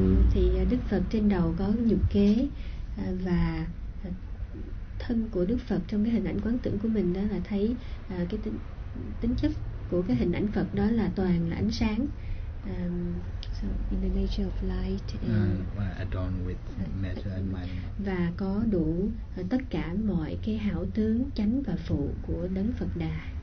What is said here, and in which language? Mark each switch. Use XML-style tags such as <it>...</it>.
<vi>Thì Đức Phật trên đầu có nhục kế và thân của Đức Phật trong cái hình ảnh quán tưởng của mình đó là thấy cái tính chất của cái hình ảnh Phật đó là toàn là ánh sáng.</vi> <en>So in the nature of light adorned with matter and mind.</en> <vi>Và có đủ tất cả mọi cái hảo tướng chánh và phụ của Đấng Phật Đà.</vi>